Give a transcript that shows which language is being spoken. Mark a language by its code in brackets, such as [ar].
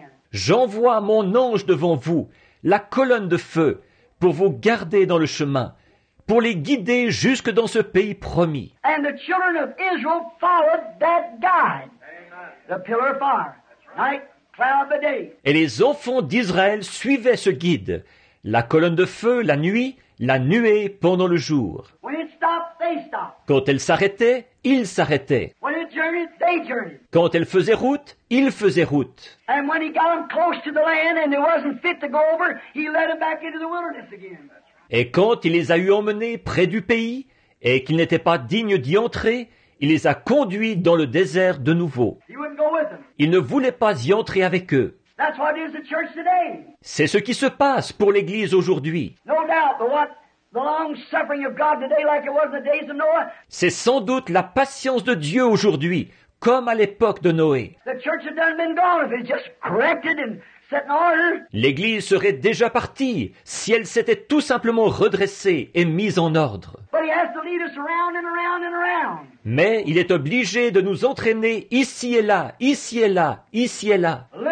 [fr] J'envoie mon ange devant vous, la colonne de feu, pour vous garder dans le chemin, pour les guider jusque dans ce pays promis. [en] And the children of Israel followed that guide, the pillar of fire, night, cloud by day. [fr] Et les enfants d'Israël suivaient ce guide, la colonne de feu la nuit, la nuée pendant le jour. [en] When it stopped, they stopped. [fr] Quand elle s'arrêtait, ils s'arrêtaient. [en] When it journeyed, they journeyed. [fr] Quand elle faisait route, ils faisaient route. [en] And when he got them close to the land and it wasn't fit to go over, he led them back into the wilderness again. [fr] Et quand il les a eu emmenés près du pays et qu'ils n'étaient pas dignes d'y entrer, il les a conduits dans le désert de nouveau. [en] He wouldn't go with them. [fr] Il ne voulait pas y entrer avec eux. [en] That's what is the church today. [fr] C'est ce qui se passe pour l'Église aujourd'hui. [en] No doubt, the long suffering of God today, like it was in the days of Noah. [fr] C'est sans doute la patience de Dieu aujourd'hui, comme à l'époque de Noé. [en] The church had done been gone if it just corrected and set in order. [fr] L'Église serait déjà partie si elle s'était tout simplement redressée et mise en ordre. [en] But he has to lead us around and around and around. [fr] Mais il est obligé de nous entraîner ici et là, ici et là, ici et là.